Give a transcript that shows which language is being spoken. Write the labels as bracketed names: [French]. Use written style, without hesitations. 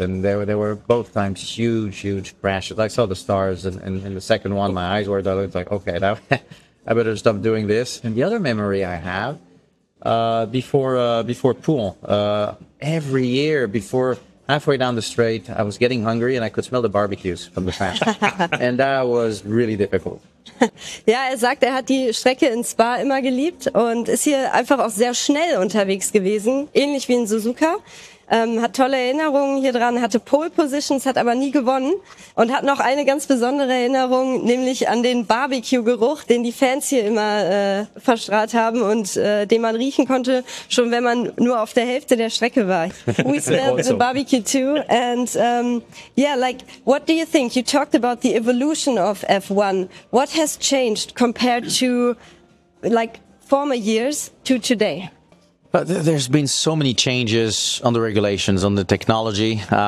[English] And there were both times huge, huge crashes. I saw the stars in the second one. My eyes were dilated. It's like, okay, now I better stop doing this. And the other memory I have, before Poulon, every year before halfway down the straight, I was getting hungry and I could smell the barbecues from the fans. And that was really difficult. [German] Ja, er sagt, er hat die Strecke in Spa immer geliebt und ist hier einfach auch sehr schnell unterwegs gewesen, ähnlich wie in Suzuka, hat tolle Erinnerungen hier dran, hatte Pole Positions, hat aber nie gewonnen und hat noch eine ganz besondere Erinnerung, nämlich an den Barbecue-Geruch, den die Fans hier immer verstrahlt haben und den man riechen konnte, schon wenn man nur auf der Hälfte der Strecke war. [English] We smelled the barbecue too and what do you think? You talked about the evolution of F1. What has changed compared to former years to today? But there's been so many changes on the regulations, on the technology.